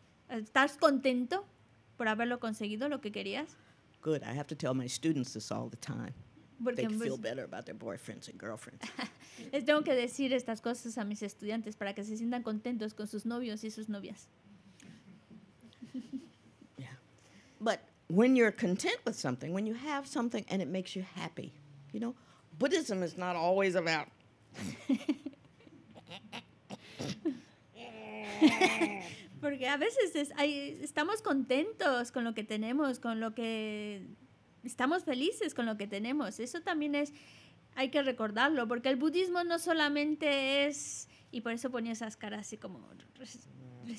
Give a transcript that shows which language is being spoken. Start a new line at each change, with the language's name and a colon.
Spanish: ¿Estás contento por haberlo conseguido, lo que querías?
English: Good. I have to tell my students this all the time.
Spanish: Porque
English: they feel better about their boyfriends and girlfriends.
Spanish: Les tengo que decir estas cosas a mis estudiantes para que se sientan contentos con sus novios y sus novias.
English: Yeah. But when you're content with something, when you have something and it makes you happy, you know, Buddhism is not always about
Spanish: porque a veces estamos contentos con lo que tenemos, con lo que estamos felices con lo que tenemos. Eso también es, hay que recordarlo, porque el budismo no solamente es, y por eso ponía esas caras así como restricción.